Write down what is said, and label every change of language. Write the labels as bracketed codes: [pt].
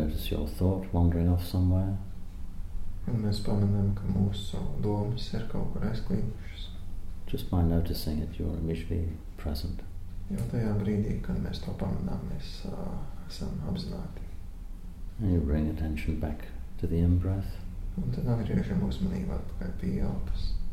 [en] Your thought wandering off somewhere. [lv] Un mēs pamanām, ka mūsu domas ir kaut kur aizklīgušas. [en] Just by noticing it, you're immediately present. [lv] Jo tajā brīdī, kad mēs to pamanām, mēs esam apzināti. [en] And you bring attention back to the in-breath. [lv] Un tad atgriežam uzmanību atpakaļ pie elpas.